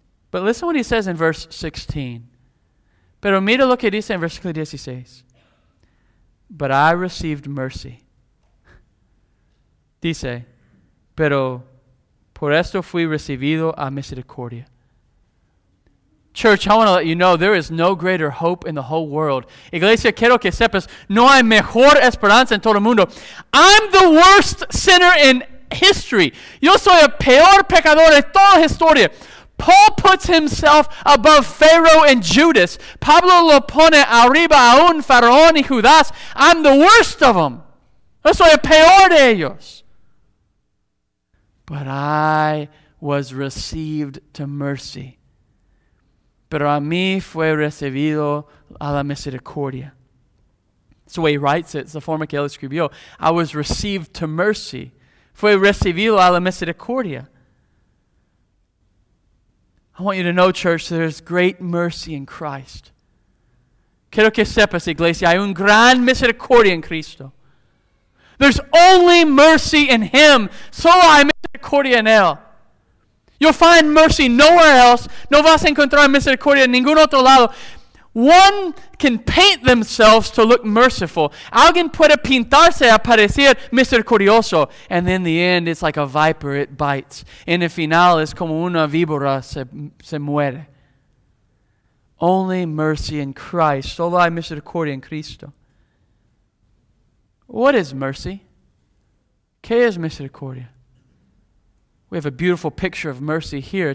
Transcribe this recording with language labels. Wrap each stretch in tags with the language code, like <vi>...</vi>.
<en>But listen what he says in verse 16.</en> <es>Pero mira lo que dice en versículo 16.</es> <en>But I received mercy.</en> <es>Dice, pero por esto fui recibido a misericordia.</es> <en>Church, I want to let you know there is no greater hope in the whole world.</en> <es>Iglesia, quiero que sepas, no hay mejor esperanza en todo el mundo.</es> <en>I'm the worst sinner in history.</en> <es>Yo soy el peor pecador de toda historia.</es> <en>Paul puts himself above Pharaoh and Judas.</en> <es>Pablo lo pone arriba a un faraón y Judas.</es> <en>I'm the worst of them.</en> <es>Yo soy el peor de ellos.</es> <en>But I was received to mercy.</en> <es>Pero a mí fue recibido a la misericordia.</es> <en>It's the way he writes it. It's the</en> <es>forma que él escribió.</es> <en>I was received to mercy.</en> <es>Fue recibido a la misericordia.</es> <en>I want you to know, church, there's great mercy in Christ.</en> <es>Quiero que sepas, iglesia, hay un gran misericordia en Cristo.</es> <en>There's only mercy in Him.</en> <es>Solo hay misericordia en Él.</es> <en>You'll find mercy nowhere else.</en> <es>No vas a encontrar misericordia en ningún otro lado.</es> <en>One can paint themselves to look merciful.</en> <es>Alguien puede pintarse a parecer misericordioso.</es> <en>And in the end, it's like a viper, it bites.</en> <es>En el final, es como una víbora, se muere.</es> <en>Only mercy in Christ.</en> <es>Solo hay misericordia en Cristo.</es> <en>What is mercy?</en> <es>¿Qué es misericordia?</es> <en>We have a beautiful picture of mercy here.</en>